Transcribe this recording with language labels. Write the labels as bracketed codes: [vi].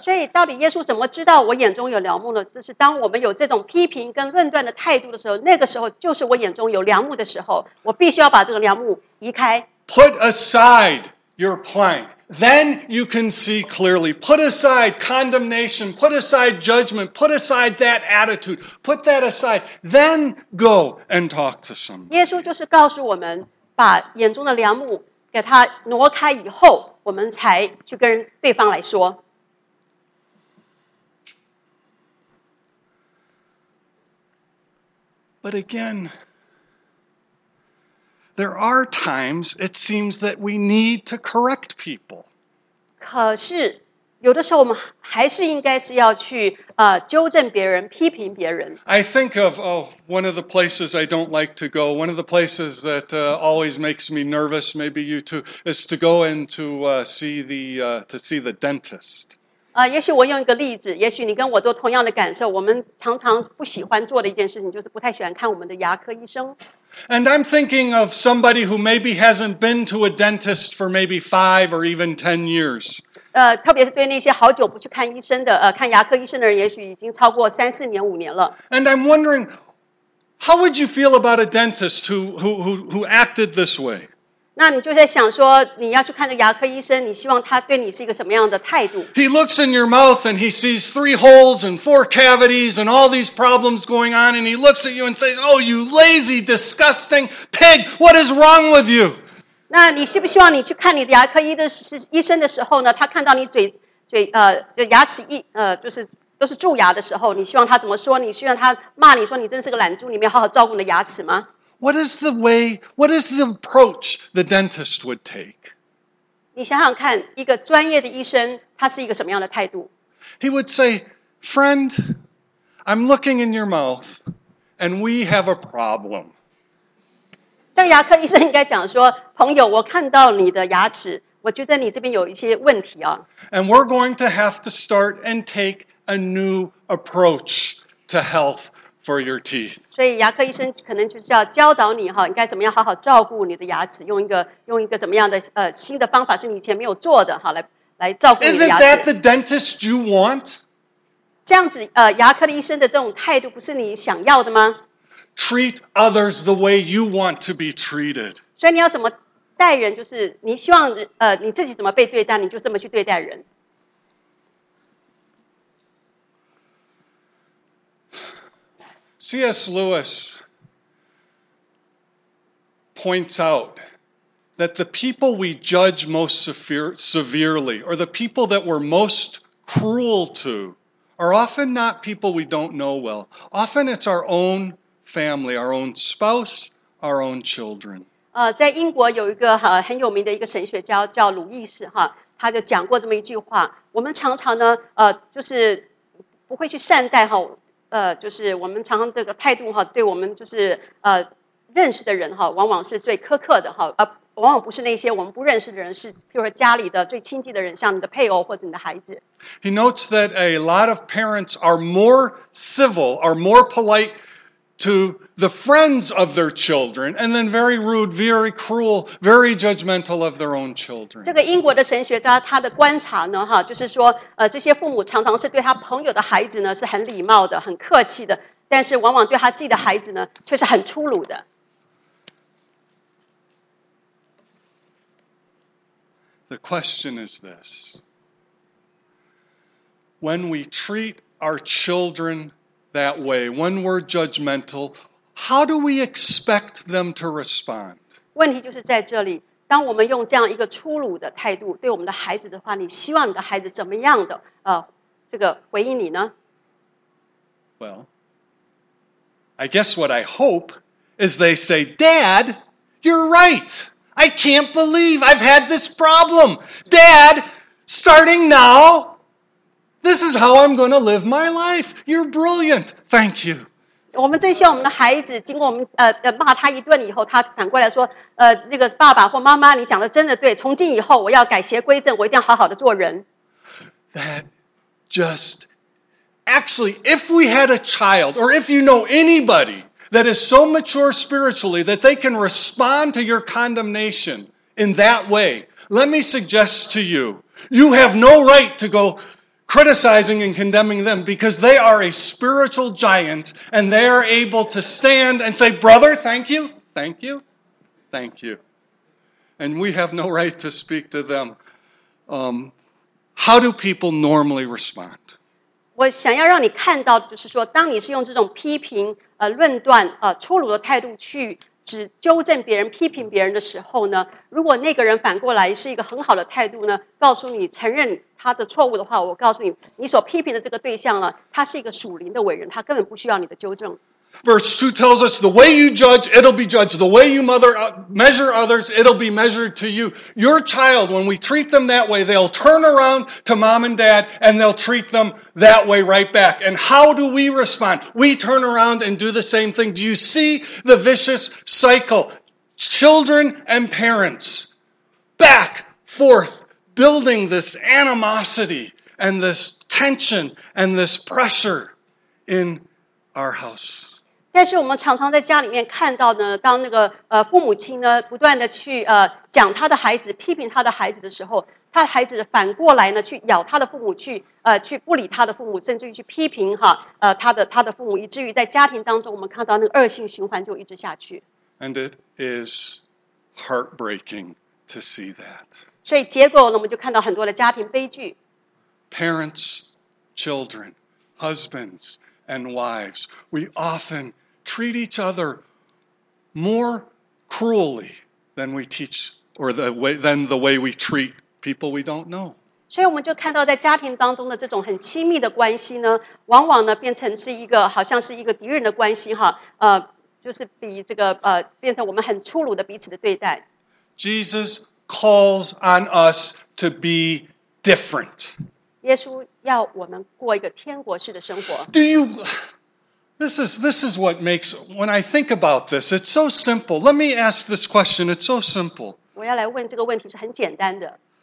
[zh] 所以，到底耶稣怎么知道我眼中有梁木呢？就是当我们有这种批评跟论断的态度的时候，那个时候就是我眼中有梁木的时候，我必须要把这个梁木移开。 [en] Put aside your plank. Then you can see clearly. Put aside condemnation. Put aside judgment. Put aside that attitude. Put that aside. Then go and talk to someone. [zh] 耶稣就是告诉我们，把眼中的梁木给他挪开以后，我们才去跟对方来说。 [en] But again... There are times it seems that we need to correct people. [zh] 可是有的时候我们还是应该是要去纠正别人，批评别人。 [en] I think of one of the places I don't like to go. One of the places that always makes me nervous. Maybe you too is to go and to see the dentist. [zh] 也许我用一个例子，也许你跟我都同样的感受。我们常常不喜欢做的一件事情就是不太喜欢看我们的牙科医生。 [en] And I'm thinking of somebody who maybe hasn't been to a dentist for maybe 5 or even 10 years. [zh] 特别是对那些好久不去看医生的，看牙科医生的人，也许已经超过三四年、五年了。 [en] And I'm wondering, how would you feel about a dentist who acted this way? [zh] 那你就在想说，你要去看这牙科医生，你希望他对你是一个什么样的态度？ [en] He looks in your mouth and he sees 3 holes and 4 cavities and all these problems going on, and he looks at you and says, "Oh, you lazy, disgusting pig! What is wrong with you?" [zh] 那你希不希望你去看你的牙科医生的时候呢？他看到你就牙齿就是都是蛀牙的时候，你希望他怎么说？你希望他骂你说你真是个懒猪，你没有好好照顾你的牙齿吗？ [en] What is the way? What is the approach the dentist would take? [zh] 你想想看，一个专业的医生，他是一个什么样的态度？ [en] He would say, "Friend, I'm looking in your mouth, and we have a problem." [zh] 这个牙科医生应该讲说。朋友，我看到你的牙齿，我觉得你这边有一些问题啊。 [en] And we're going to have to start and take a new approach to health for your teeth. [zh] 所以牙科医生可能就是要教导你哈，应该怎么样好好照顾你的牙齿，用一个怎么样的新的方法是你以前没有做的哈，来照顾你的牙齿。 [en] Isn't that the dentist you want? [zh] 这样子牙科医生的这种态度不是你想要的吗？ [en] Treat others the way you want to be treated. [zh] 所以你要怎么待人，就是你希望你自己怎么被对待，你就这么去对待人。 [en] C.S. Lewis points out that the people we judge most severely, or the people that we're most cruel to, are often not people we don't know well. Often it's our own family, our own spouse, our own children. [zh] 在英国有一个很有名的一个神学家叫鲁易斯哈，他就讲过这么一句话，我们常常呢就是不会去善待哈，就是我们常常这个态度哈，对我们就是认识的人哈，往往是最苛刻的哈，往往不是那些我们不认识的人，是譬如说家里的最亲近的人，像你的配偶或者你的孩子。 [en] He notes that a lot of parents are more civil, are more polite to the friends of their children, and then very rude, very cruel, very judgmental of their own children. [zh] 这个英国的神学家他的观察呢，哈，就是说，这些父母常常是对他朋友的孩子呢是很礼貌的、很客气的，但是往往对他自己的孩子呢却是很粗鲁的。 [en] The question is this: when we treat our children that way, when we're judgmental, how do we expect them to respond? [zh] 问题就是在这里，当我们用这样一个粗鲁的态度对我们的孩子的话，你希望你的孩子怎么样的这个回应你呢？ [en] Well, I guess what I hope is they say, "Dad, you're right. I can't believe I've had this problem. Dad, starting now,This is how I'm going to live my life. You're brilliant. Thank you. [zh] 我们最希望我们的孩子经过我们骂他一顿以后，他反过来说，那个爸爸或妈妈，你讲的真的对。从今以后，我要改邪归正，我一定要好好的做人。 [en] That just actually, if we had a child, or if you know anybody that is so mature spiritually that they can respond to your condemnation in that way, let me suggest to you, you have no right to go. Criticizing and condemning them because they are a spiritual giant and they are able to stand and say, "Brother, thank you, thank you, thank you." And we have no right to speak to them. How do people normally respond? [zh] 我想要让你看到，就是说，当你是用这种批评、论断、粗鲁的态度去只纠正别人、批评别人的时候呢，如果那个人反过来是一个很好的态度呢，告诉你承认他的错误的话，我告诉你，你所批评的这个对象呢，他是一个属灵的伟人，他根本不需要你的纠正。 [en] Verse 2 tells us, "The way you judge, it'll be judged. The way you measure others, it'll be measured to you." Your child, when we treat them that way, they'll turn around to mom and dad, and they'll treat them that way right back. And how do we respond? We turn around and do the same thing. Do you see the vicious cycle? Children and parents, back, forth, building this animosity and this tension and this pressure in our house. [zh] 但是我们常常在家里面看到呢，当那个父母亲呢不断的去讲他的孩子，批评他的孩子的时候，他的孩子反过来呢去咬他的父母，去不理他的父母，甚至于去批评哈他的父母，以至于在家庭当中，我们看到那个恶性循环就一直下去。 [en] And it is heartbreaking to see that. [zh] 所以结果呢，我们就看到很多的家庭悲剧。 [en] Parents, children, husbands. And wives, we often treat each other more cruelly than we teach, or than the way we treat people we don't know. [zh] 所以我们就看到在家庭当中的这种很亲密的关系呢，往往呢变成是一个好像是一个敌人的关系哈，就是比这个变成我们很粗鲁的彼此的对待。 [en] Jesus calls on us to be different. [zh] 耶稣要我们过一个天国式的生活。 [en] Do you? This is what makes when I think about this, it's so simple. Let me ask this question. It's so simple. [zh] 我要来问这个问题是很简单的。